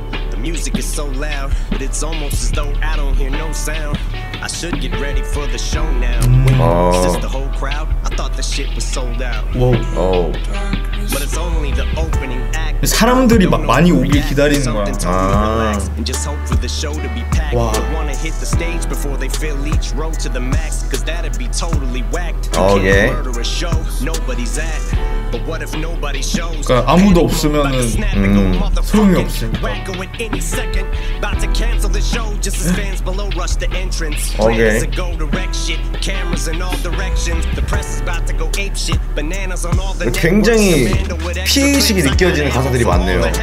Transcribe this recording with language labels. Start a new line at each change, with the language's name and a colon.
English: The music is so loud, but it's almost as though I don't hear no sound. I should get ready for the show now. It's just the whole crowd. thought the shit was sold out. Whoa. But it's only the opening act.
Korean: 사람들이 막 많이 오길 기다리는 거야. 아.
English: And just hope for the show to be packed. Wow. I wanna hit the stage before they fill each row to the max, cause that'd be totally whacked. Okay. Murder a show, nobody's at. But what if nobody shows?
Korean: 그러니까 아무도 없으면은 소용이 없으니까.
English: Wacko in any second, about to cancel the show, just as fans below rush the entrance. Okay. Players to go direct shit, cameras in all directions, the press is about to go ape shit, bananas on all the networks.
Korean: 굉장히 피해의식이 느껴지는 가사들이 많네요.